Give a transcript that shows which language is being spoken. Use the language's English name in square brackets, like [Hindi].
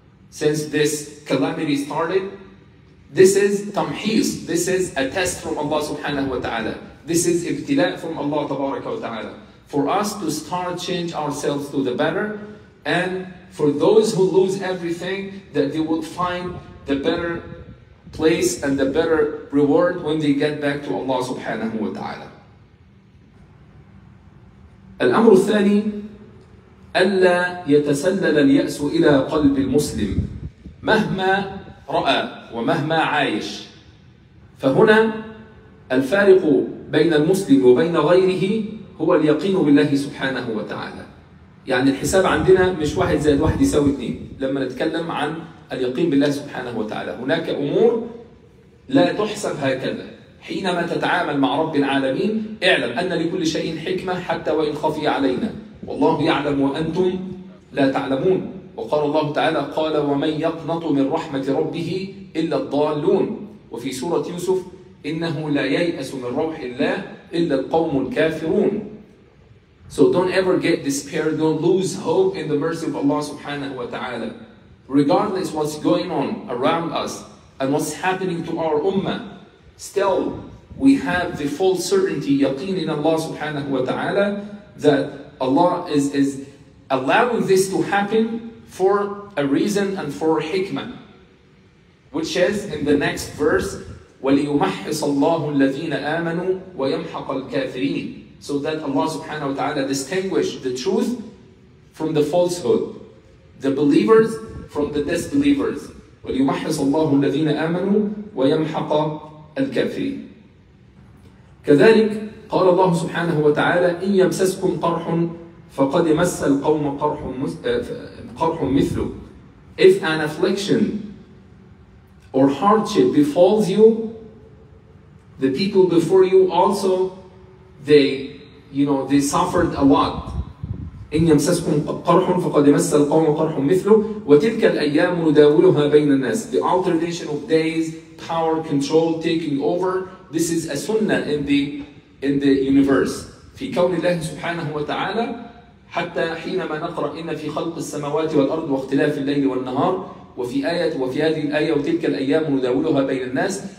[English] since this calamity started, this is tamhis, this is a test from Allah subhanahu wa ta'ala, this is ibtila from Allah tabaraka wa ta'ala, for us to start change ourselves to the better, and for those who lose everything that they would find the better place and the better reward when they get back to Allah subhanahu wa ta'ala. [Arabic] Al-amru thani, alla yatasallal al-ya's ila qalb al-muslim mahma رأى ومهما عايش. فهنا الفارق بين المسلم وبين غيره هو اليقين بالله سبحانه وتعالى. يعني الحساب عندنا مش 1+1=2 لما نتكلم عن اليقين بالله سبحانه وتعالى. هناك أمور لا تحسب هكذا. حينما تتعامل مع رب العالمين اعلم أن لكل شيء حكمة حتى وإن خفي علينا. والله يعلم وأنتم لا تعلمون. وقال الله تعالى قال ومن يقنط من رحمة ربه إلا الضالون. وفي سورة يوسف إنه لا ييأس من روح الله إلا القوم الكافرون. [English] So don't ever get despaired, don't lose hope in the mercy of Allah subhanahu wa ta'ala. Regardless what's going on around us and what's happening to our ummah, still we have the full certainty, yaqeen in Allah subhanahu wa ta'ala, that Allah is allowing this to happen for a reason and for hikmah. Which says in the next verse, [Arabic] وَلِيُمَحِّصَ اللَّهُ الَّذِينَ آمَنُوا وَيَمْحَقَ الْكَافِرِينَ. [English] So that Allah subhanahu wa ta'ala distinguish the truth from the falsehood, the believers from the disbelievers. [Arabic] وَلِيُمَحِّصَ اللَّهُ الَّذِينَ آمَنُوا وَيَمْحَقَ الْكَافِرِينَ. كذلك قال الله سبحانه وتعالى إن يمسسكم قرح فقد مس القوم قرح مثله. [English] If an affliction or hardship befalls you, the people before you also, they suffered a lot. [Arabic] إن يمسسكم قرح فقد مس القوم قرح مثله وتلك الأيام نداولها بين الناس. [English] The alternation of days, power, control, taking over, this is a sunnah in the universe. [Arabic] في كون الله سبحانه وتعالى حتى حينما نقرأ إن في خلق السماوات والأرض واختلاف الليل والنهار وفي هذه الآية وتلك الأيام نداولها بين الناس.